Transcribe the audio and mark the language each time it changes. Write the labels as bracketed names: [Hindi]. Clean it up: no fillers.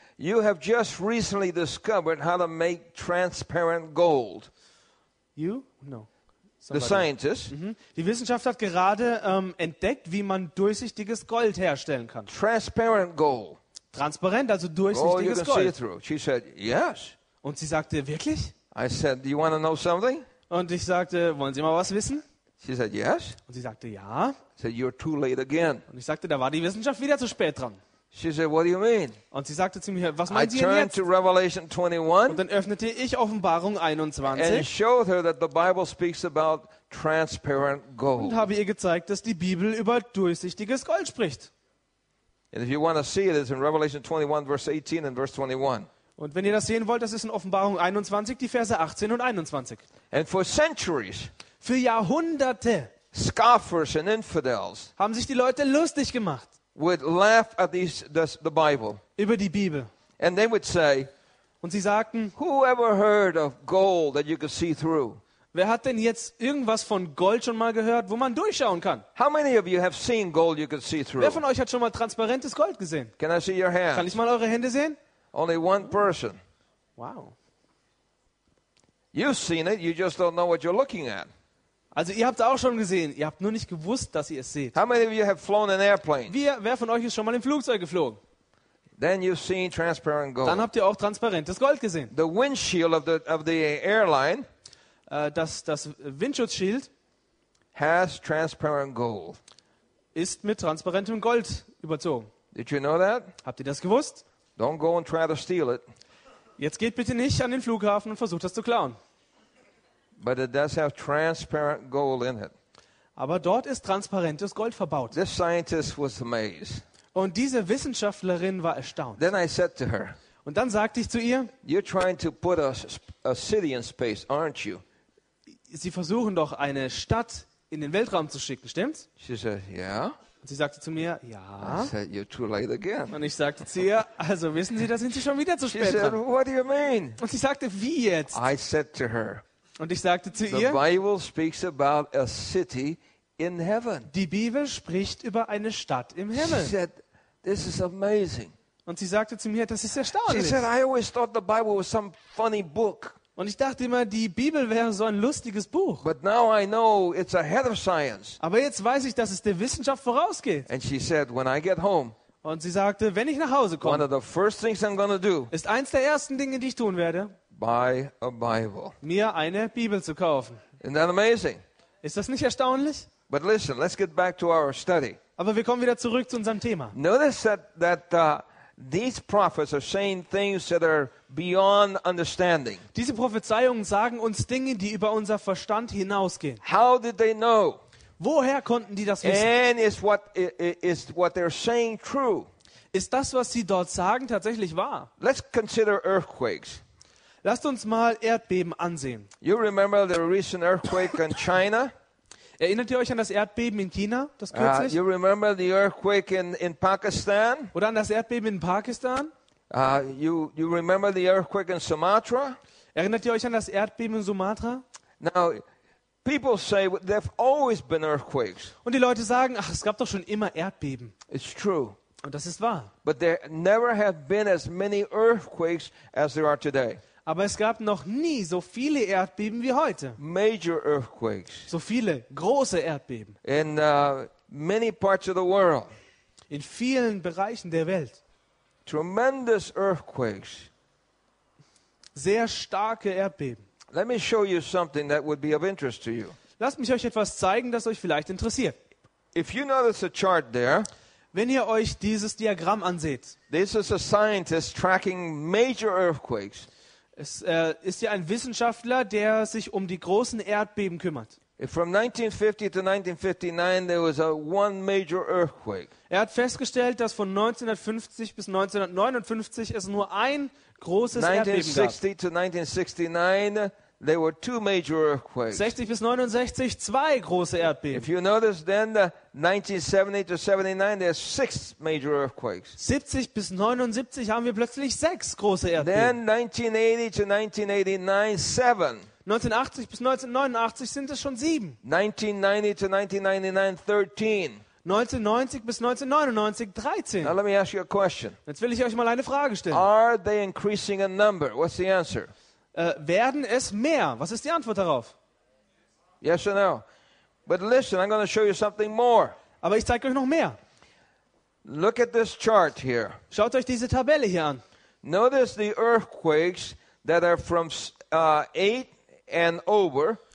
[English] you have just recently discovered how to make transparent gold. You? No. The scientist. [German] Die Wissenschaft hat gerade entdeckt, wie man durchsichtiges Gold herstellen kann. [English] Transparent gold. [German] Transparent, also durchsichtiges Gold. [English] Oh, you can see through. She said, yes. [German] Und sie sagte, wirklich? [English] I said, do you want to know something? [German] Und ich sagte, wollen Sie mal was wissen? [English] She said, yes. [German] Und sie sagte, ja. [English] I said, you're too late again. [German] Und ich sagte, da war die Wissenschaft wieder zu spät dran. [English] She said, what do you mean? [German] Und sie sagte zu mir, was meinen Sie denn jetzt? [English] I turned to Revelation 21. [German] Und dann öffnete ich Offenbarung 21. [English] And showed her that the Bible speaks about transparent gold. [German] Und habe ihr gezeigt, dass die Bibel über durchsichtiges Gold spricht. [English] And if you want to see it, it's in Revelation 21, verse 18 and verse 21. [German] Und wenn ihr das sehen wollt, das ist in Offenbarung 21, die Verse 18 und 21. [English] And for centuries, [German] für Jahrhunderte, [English] scoffers and infidels, [German] haben sich die Leute lustig gemacht, [English] would laugh at the Bible, [German] über die Bibel. [English] And they would say, [German] und sie sagten, [English] who ever heard of gold that you could see through? [German] Wer hat denn jetzt irgendwas von Gold schon mal gehört, wo man durchschauen kann? [English] How many of you have seen gold you could see through? [German] Wer von euch hat schon mal transparentes Gold gesehen? [English] Can I see your hands? [German] Kann ich mal eure Hände sehen? [English] Only one person. Wow. You've seen it, you just don't know what you're looking at. [German] Also ihr habt es auch schon gesehen, ihr habt nur nicht gewusst, dass ihr es seht. [English] How many of you have flown an airplane? [German] Wer von euch ist schon mal im Flugzeug geflogen? [English] Then you've seen transparent gold. [German] Dann habt ihr auch transparentes Gold gesehen. [English] The windshield of the airline. [German] Das Windschutzschild [English] has transparent gold. [German] Ist mit transparentem Gold überzogen. [English] Did you know that? [German] Habt ihr das gewusst? [English] Don't go and try to steal it. [German] Jetzt geht bitte nicht an den Flughafen und versucht das zu klauen. [English] But it does have transparent gold in it. [German] Aber dort ist transparentes Gold verbaut. [English] This scientist was amazed. [German] Und diese Wissenschaftlerin war erstaunt. [English] Then I said to her, [German] und dann sagte ich zu ihr, [English] you're trying to put a city in space, aren't you? [German] Sie versuchen doch, eine Stadt in den Weltraum zu schicken, stimmt's? [English] She said, yeah. [German] Und sie sagte zu mir, ja. [English] I said, you're too late again. [German] Und ich sagte zu ihr, also wissen Sie, da sind Sie schon wieder zu spät. [English] She said, what do you mean? [German] Und sie sagte, wie jetzt? [English] I said to her, [German] und ich sagte zu ihr, [English] the Bible speaks about a city in heaven. [German] Die Bibel spricht über eine Stadt im Himmel. [English] She said, this is amazing. [German] Und sie sagte zu mir, das ist erstaunlich. [English] She said, I always thought the Bible was some funny book. [German] Und ich dachte immer, die Bibel wäre so ein lustiges Buch. [English] But now I know it's ahead of science. [German] Aber jetzt weiß ich, dass es der Wissenschaft vorausgeht. [English] And she said, when I get home, [German] und sie sagte, wenn ich nach Hause komme, [English] one of the first things I'm gonna do, [German] ist eins der ersten Dinge, die ich tun werde, [English] buy a Bible. [German] Mir eine Bibel zu kaufen. [English] Isn't that amazing? [German] Ist das nicht erstaunlich? [English] But listen, let's get back to our study. [German] Aber wir kommen wieder zurück zu unserem Thema. [English] Notice that these prophets are saying things that are beyond understanding. [German] Diese Prophezeiungen sagen uns Dinge, die über unser Verstand hinausgehen. [English] How did they know? [German] Woher konnten die das wissen? [English] And is what they're saying true? [German] Ist das, was sie dort sagen, tatsächlich wahr? [English] Let's consider earthquakes. [German] Lasst uns mal Erdbeben ansehen. [English] You remember the recent earthquake in China? [German] Erinnert ihr euch an das Erdbeben in China, das kürzlich? [English] You remember the earthquake in Pakistan? [German] Oder an das Erdbeben in Pakistan? [English] You remember the earthquake in Sumatra? [German] Erinnert ihr euch an das Erdbeben in Sumatra? [English] Now, people say there have always been earthquakes. [German] Und die Leute sagen, ach, es gab doch schon immer Erdbeben. [English] It's true. [German] Und das ist wahr. [English] But there never have been as many earthquakes as there are today. [German] Aber es gab noch nie so viele Erdbeben wie heute. [English] Major earthquakes. [German] So viele große Erdbeben. [English] In many parts of the world. [German] In vielen Bereichen der Welt. [English] Tremendous earthquakes. [German] Sehr starke Erdbeben. [English] Let me show you something that would be of interest to you. [German] Lasst mich euch etwas zeigen, das euch vielleicht interessiert. [English] If you notice a chart there, [German] wenn ihr euch dieses Diagramm anseht, [English] this is a scientist tracking major earthquakes. [German] Es ist ja ein Wissenschaftler, der sich um die großen Erdbeben kümmert. [English] From 1950 to 1959 there was a one major earthquake. [German] Er hat festgestellt, dass von 1950 bis 1959 es nur ein großes Erdbeben gab. [English] 1960 to 1969 there were two major earthquakes. [German] 60 bis 69 zwei große Erdbeben. [English] If you notice then the 1970 to 79 there's six major earthquakes. [German] 70 bis 79 haben wir plötzlich sechs große Erdbeben. [English] Then 1980 to 1989 seven. [German] 1980 bis 1989 sind es schon sieben. [English] 1990 to 1999, 13. [German] 1990 bis 1999, 13. [English] Now let me ask you a question. [German] Jetzt will ich euch mal eine Frage stellen. [English] Are they increasing in number? What's the answer? [German] Werden es mehr? Was ist die Antwort darauf? [English] Yes or no? But listen, I'm going to show you something more. [German] Aber ich zeige euch noch mehr. [English] Look at this chart here. [German] Schaut euch diese Tabelle hier an. [English] Notice the earthquakes that are from 8 and over.